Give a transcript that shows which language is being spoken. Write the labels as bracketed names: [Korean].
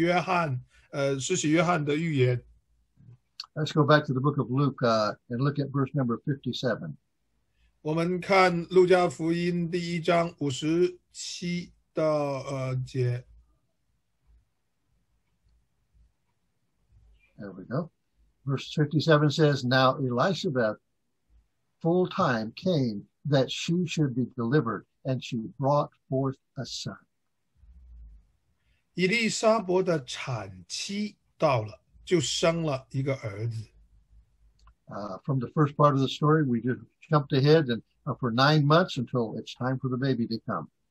[Chinese] 在圣经的最后一卷书马拉基书也有这样的指着约翰施洗约翰的预言。 [English] Let's go back to the book of Luke and look at verse number 57. [Chinese] 我们看路加福音第一章57到节。 [English] There we go. Verse 57 says, Now Elizabeth full time came that she should be delivered, and she brought forth a son. [Chinese] 以利沙伯的产期到了，就生了一个儿子。 [English] From the first part of the story, we just jumped ahead and for 9 months until it's time for the baby to come.